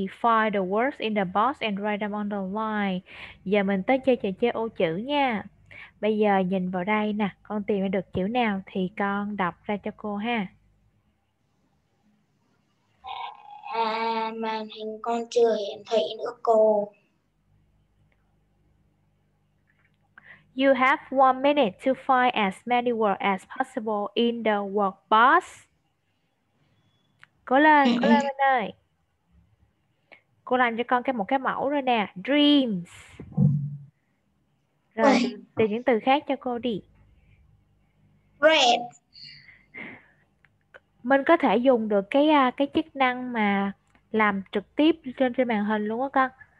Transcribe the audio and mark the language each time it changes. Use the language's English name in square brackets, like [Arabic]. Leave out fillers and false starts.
[English] Find the words in the box and write them on the line. [Vietnamese] Giờ mình tới chơi trò chơi ô chữ nha. Bây giờ nhìn vào đây nè, con tìm được chữ nào thì con đọc ra cho cô ha. À, màn hình con chưa hiển thị nữa cô. [English] You have 1 minute to find as many words as possible in the workbox. [Vietnamese] Cố lên bên ơi. Cô làm cho con cái một cái mẫu rồi nè. Dreams. Rồi từ, từ những từ khác cho cô đi. [English] Red. [Vietnamese] Mình có thể dùng được cái chức năng mà làm trực tiếp trên trên màn hình luôn á con.